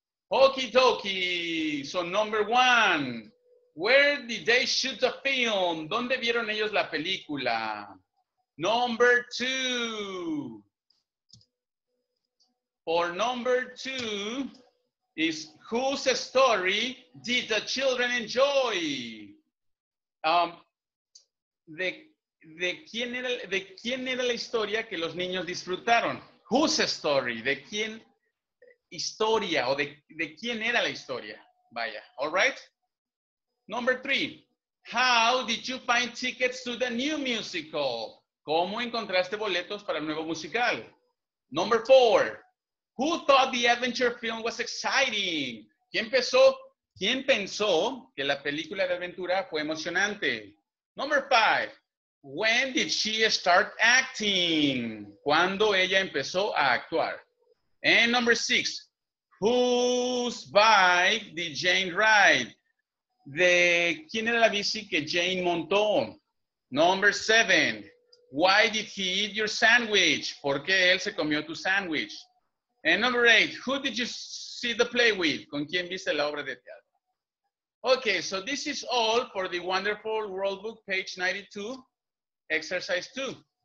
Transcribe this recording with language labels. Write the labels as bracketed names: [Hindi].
[English] Okie dokie. So number one, where did they shoot the film? [Spanish] ¿Dónde vieron ellos la película? [English] Number two. For number two is whose story did the children enjoy? [Spanish] ¿De quién era la historia que los niños disfrutaron? [English] Whose story? [Spanish] ¿De quién? Historia, o de quién era la historia. Vaya, [English] all right? Number three, how did you find tickets to the new musical? [Spanish] ¿Cómo encontraste boletos para el nuevo musical? [English] Number four, who thought the adventure film was exciting? [Spanish] ¿Quién pensó que la película de aventura fue emocionante? [English] Number five, when did she start acting? [Spanish] ¿Cuándo ella empezó a actuar? [English] And number six, whose bike did Jane ride? [Spanish] ¿De quién era la bici que Jane montó? [English] Number seven, why did he eat your sandwich? [Spanish] ¿Por qué él se comió tu sandwich? [English] And number eight, who did you see the play with? [Spanish] ¿Con quién viste la obra de teatro? [English] Okay, so this is all for the Wonderful World Book, page 92, exercise two.